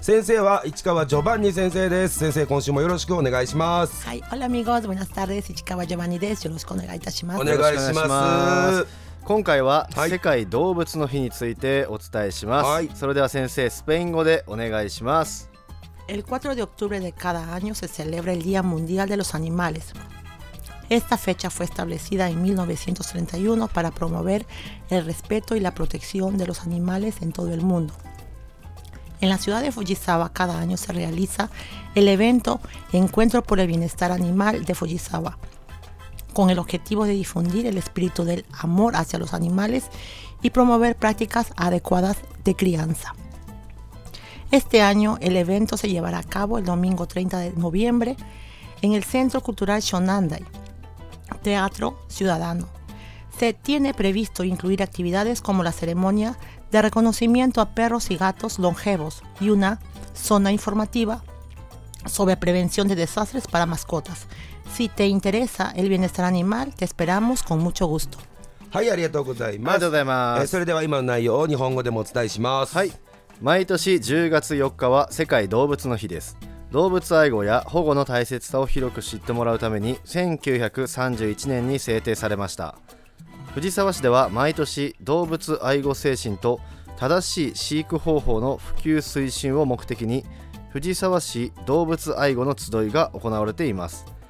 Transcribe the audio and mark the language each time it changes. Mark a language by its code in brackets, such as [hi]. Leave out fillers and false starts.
[ja] 先生は市川ジョバンニ先生です。先生、今週もよろしくお願いします。はい、 [es] オラミゴーズ、ブナスタル [ja] です。市川ジョバンニです。よろしくお願いいたします。お願いします。今回は世界動物の日についてお伝えします。はい、それでは先生、スペイン語でお願いします。 [es] El 4 de octubre de cada año se celebra el Día Mundial de los Animales. Esta fecha fue establecida en 1931 para promover el respeto y la protección de los animales en todo el mundo. En la ciudad de Fujisawa cada año se realiza el evento Encuentro por el Bienestar Animal de Fujisawa, con el objetivo de difundir el espíritu del amor hacia los animales y promover prácticas adecuadas de crianza. Este año el evento se llevará a cabo el domingo 30 de noviembre en el Centro Cultural Shonandai, Teatro Ciudadano. Se tiene previsto incluir actividades como la ceremonia de reconocimiento a perros y gatos longevos y una zona informativa sobre prevención de desastres para mascotas. Si te interesa el bienestar animal, te esperamos con mucho gusto. [ja] はい、ありがとうございます。ありがとうございます。それでは今の内容を日本語でもお伝えします。はい。毎年10月4日は世界動物の日です。動物愛護や保護の大切さを広く知ってもらうために1931年に制定されました。藤沢市では毎年動物愛護精神と正しい飼育方法の普及推進を目的に藤沢市動物愛護の集いが行われています。